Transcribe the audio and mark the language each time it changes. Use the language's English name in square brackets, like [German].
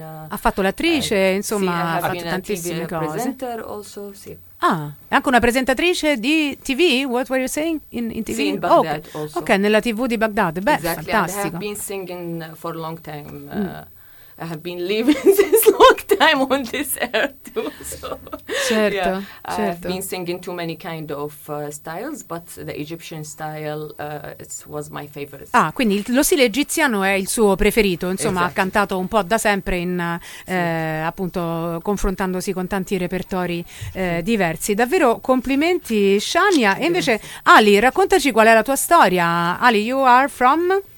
[Italian] ha fatto l'attrice, insomma, sì, ha fatto tantissime cose. [English] Presenter also, [Italian] sì. Ah, è anche una presentatrice di TV? [English] What were you saying in TV? [Italian] Sì, in Baghdad [English] also. [Italian] Ok, nella TV di Baghdad. Beh, [English] exactly. [Italian] Fantastico. [English] I have been singing for a long time. I have been living since long time on this earth too. So, [Italian] certo, [English] yeah, [Italian] certo. [English] I have been singing too many kind of styles, but the Egyptian style was my favorite. [Italian] Ah, quindi lo stile egiziano è il suo preferito, insomma, esatto. Ha cantato un po' da sempre in sì. Appunto confrontandosi con tanti repertori diversi. Davvero complimenti, Shania. E invece grazie. Ali, raccontaci qual è la tua storia. [English] Ali, you are from